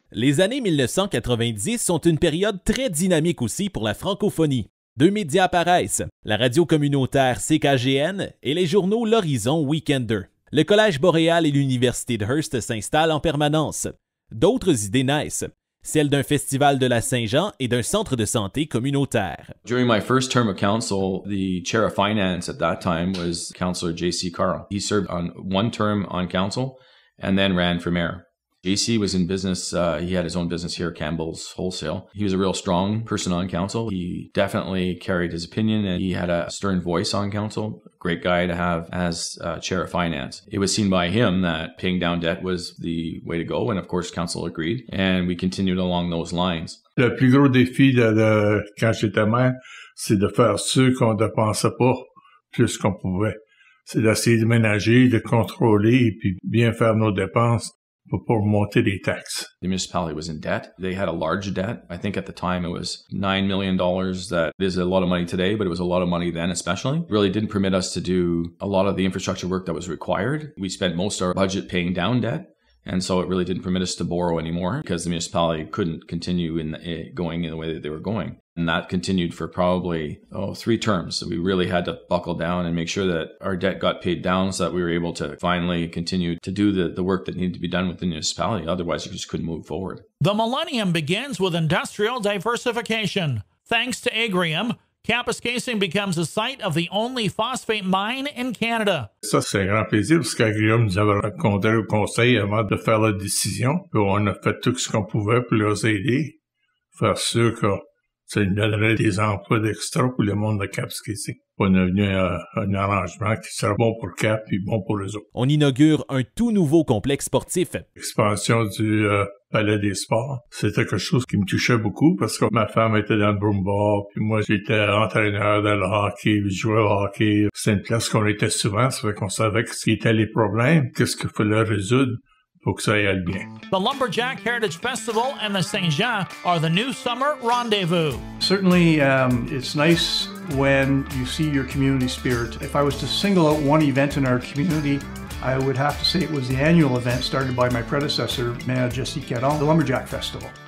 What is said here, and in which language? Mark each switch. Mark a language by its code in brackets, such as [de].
[fr] Les années 1990 sont une période très dynamique aussi pour la francophonie. Deux médias apparaissent, la radio communautaire CKGN et les journaux L'Horizon Weekender. Le Collège Boréal et l'Université de Hearst s'installent en permanence. D'autres idées naissent, celles d'un festival de la Saint-Jean et d'un centre de santé communautaire. [en] During my first term of council, the chair of finance at that time was Councillor J.C. Caron. He served on one term on council and then ran for mayor. JC was in business, he had his own business here, Campbell's Wholesale. He was a real strong person on council. He definitely carried his opinion and he had a stern voice on council. Great guy to have as chair of finance. It was seen by him that paying down debt was the way to go. And of course, council agreed. And we continued along those lines. [fr] Le plus gros défi de quand j'étais maire, c'est de faire ce qu'on ne pensait pas plus qu'on pouvait. C'est d'essayer de ménager, de contrôler et puis bien faire nos dépenses. Pour monter les taxes. [en] The municipality was in debt. They had a large debt. I think at the time it was $9 million. That is a lot of money today, but it was a lot of money then especially. It really didn't permit us to do a lot of the infrastructure work that was required. We spent most of our budget paying down debt. And so it really didn't permit us to borrow anymore because the municipality couldn't continue going in the way that they were going. And that continued for probably three terms. So we really had to buckle down and make sure that our debt got paid down so that we were able to finally continue to do the work that needed to be done within the municipality. Otherwise, you just couldn't move forward. The millennium begins with industrial diversification. Thanks to agrium, Kapuskasing becomes the site of the only phosphate mine in Canada. [fr] Ça, c'est un grand plaisir parce qu'Agrium nous avait raconté au conseil avant de faire la décision. Puis on a fait tout ce qu'on pouvait pour les aider, faire sûr que ça nous donnerait des emplois d'extra pour le monde de Kapuskasing. On a venu à un arrangement qui sera bon pour Cap puis bon pour les autres. On inaugure un tout nouveau complexe sportif. L'expansion du Palais des sports, c'était quelque chose qui me touchait beaucoup parce que ma femme était dans le broomball, puis moi j'étais entraîneur dans le hockey, je jouais au hockey. C'est une place qu'on était souvent, ça fait qu'on savait ce qu'étaient les problèmes, qu'est-ce qu'il fallait résoudre pour que ça aille bien. [en] The Lumberjack Heritage Festival and the Saint-Jean are the new summer rendezvous. Certainly, it's nice when you see your community spirit. If I was to single out one event in our community, I would have to say it was the annual event started by my predecessor, Mayor Jesse Caron, the Lumberjack Festival.